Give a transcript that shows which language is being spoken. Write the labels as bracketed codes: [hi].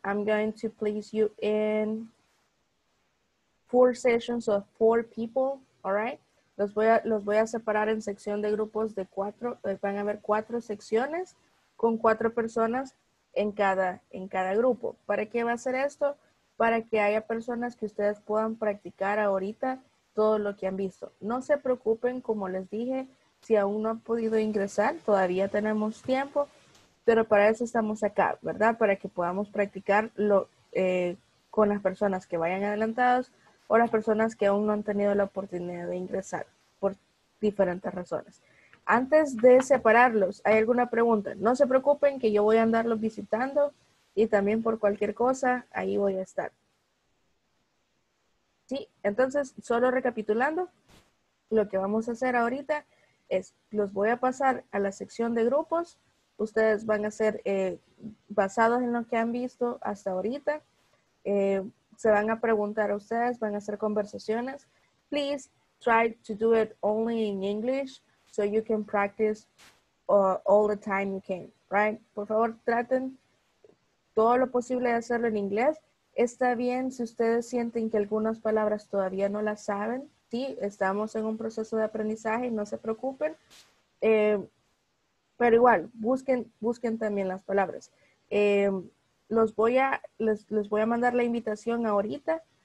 [en] I'm going to place you in four sessions of four people, all right? [es] Los voy a separar en sección de grupos de cuatro. Van a haber cuatro secciones con cuatro personas en cada grupo. ¿Para qué va a ser esto? Para que haya personas que ustedes puedan practicar ahorita todo lo que han visto. No se preocupen, como les dije, si aún no han podido ingresar, todavía tenemos tiempo, pero para eso estamos acá, ¿verdad? Para que podamos practicar con las personas que vayan adelantados o las personas que aún no han tenido la oportunidad de ingresar por diferentes razones. Antes de separarlos, ¿hay alguna pregunta? No se preocupen que yo voy a andarlos visitando y también por cualquier cosa, ahí voy a estar. Sí, entonces, solo recapitulando, lo que vamos a hacer ahorita es, los voy a pasar a la sección de grupos. Ustedes van a ser basados en lo que han visto hasta ahorita. Se van a preguntar a ustedes, van a hacer conversaciones. [en] Please try to do it only in English so you can practice all the time you can, right? [es] Por favor, traten todo lo posible de hacerlo en inglés. Está bien si ustedes sienten que algunas palabras todavía no las saben. Sí, estamos en un proceso de aprendizaje, no se preocupen. Pero igual, busquen también las palabras. Les voy a mandar la invitación ahorita.